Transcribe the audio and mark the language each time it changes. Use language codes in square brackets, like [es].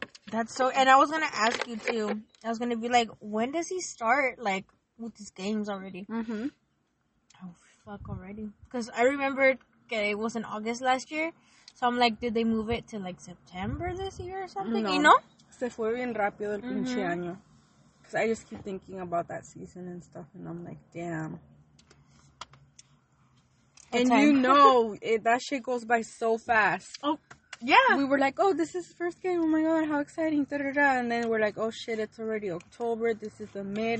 [en] That's so, and I was gonna ask you too. I was gonna be like, when does he start, like, with his games already? Mm-hmm. Oh, fuck, already. Because I remembered, okay, it was in August last year. So I'm like, did they move it to, like, September this year or something? No. You know? [es] Se fue bien rápido el pinche año. [en] Cause I just keep thinking about that season and stuff, and I'm like, damn. And you know, that shit goes by so fast. Oh, yeah. We were like, oh, this is the first game. Oh my God, how exciting. Da, da, da. And then we're like, oh shit, it's already October. This is the mid.